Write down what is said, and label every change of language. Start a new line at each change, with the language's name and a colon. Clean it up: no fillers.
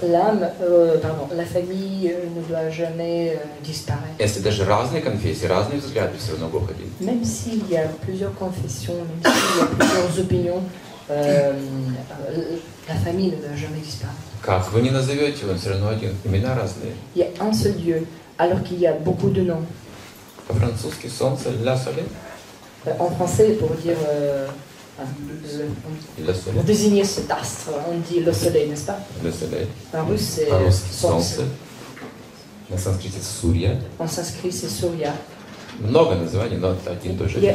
French: La famille ne doit jamais disparaître.
Russian: Если даже разные конфессии, разные взгляды, все равно Бог один.
French: Même s'il y a plusieurs confessions, même s'il y a plusieurs opinions, la famille ne doit jamais disparaître.
Russian: Как вы не назовете, он все равно один. Имена разные.
French: Il y a un seul Dieu, alors qu'il y a beaucoup de noms.
Russian: По-французски солнце,
French: la soleil. En français, pour dire, pour désigner cet astre, on dit le soleil, n'est-ce pas? Le soleil. En russe, c'est solnce. Солнце.
Russian: На санскрите сурья.
French: En sanskrit, c'est сурья.
Russian: Много названий, но это один тоже.